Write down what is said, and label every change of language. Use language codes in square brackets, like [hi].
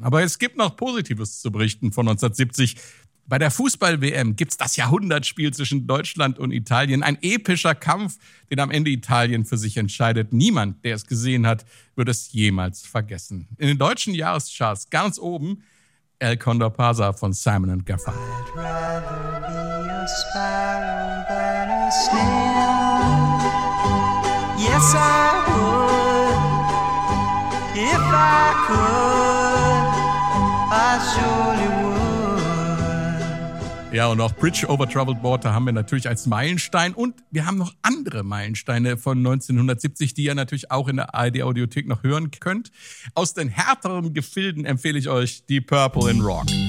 [de] Aber es gibt noch Positives zu berichten von 1970. Bei der Fußball-WM gibt es das Jahrhundertspiel zwischen Deutschland und Italien. Ein epischer Kampf, den am Ende Italien für sich entscheidet. Niemand, der es gesehen hat, wird es jemals vergessen. In den deutschen Jahrescharts ganz oben El Condor Pasa von Simon & Garfunkel. [en] I'd rather be a sparrow than a snail. Yes, I would, if I could, I surely would. [de] Ja, und auch Bridge Over Troubled Water haben wir natürlich als Meilenstein. Und wir haben noch andere Meilensteine von 1970, die ihr natürlich auch in der ARD-Audiothek noch hören könnt. Aus den härteren Gefilden empfehle ich euch Deep Purple in Rock.